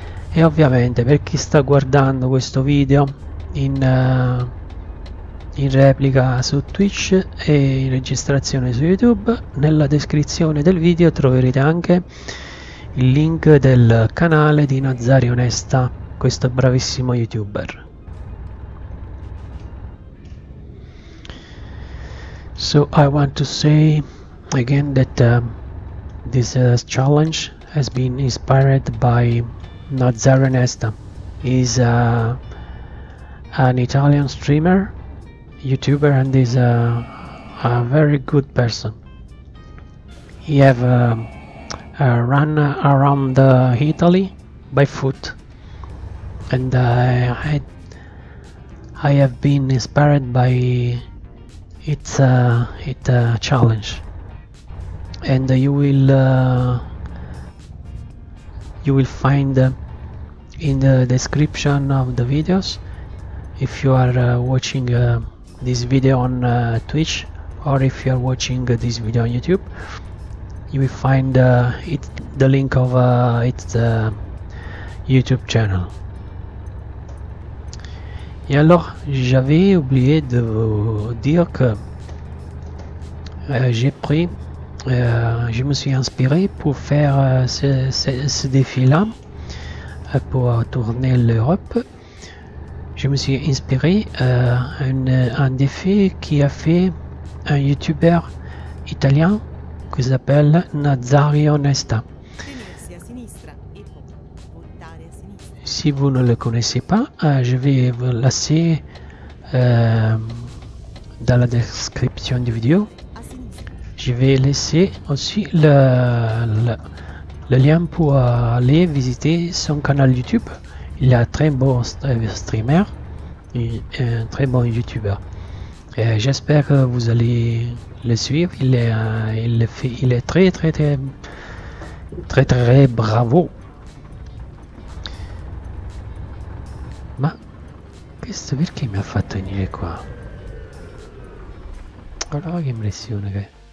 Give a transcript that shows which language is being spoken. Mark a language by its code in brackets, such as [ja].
[it] E ovviamente, per chi sta guardando questo video in replica su Twitch e in registrazione su YouTube, nella descrizione del video troverete anche il link del canale di Nazario Onesta, questo bravissimo YouTuber. [en] So I want to say again that this challenge has been inspired by Nazario Onesta. He's an Italian streamer, YouTuber, and is a very good person. He have run around Italy by foot, and I have been inspired by its challenge. And you will find in the description of the videos, if you are watching this video on Twitch, or if you are watching this video on YouTube, you will find the link of its YouTube channel. [fr] Et alors, j'avais oublié de vous dire que je me suis inspiré pour faire ce défi-là pour tourner l'Europe. Je me suis inspiré un défi qui a fait un youtubeur italien qui s'appelle Nazario Onesta. [it] Tenersi a sinistra e poi voltare a sinistra. [fr] Si vous ne le connaissez pas, je vais vous laisser dans la description du vidéo. [it] Voltare a sinistra. [fr] Je vais laisser aussi le lien pour aller visiter son canal YouTube. Il est un très bon streamer. Un très bon youtubeur. J'espère que vous allez le suivre. Il est très très très très très bravo. [it] Questo perché mi ha fatto venire qua? Guarda che impressione che.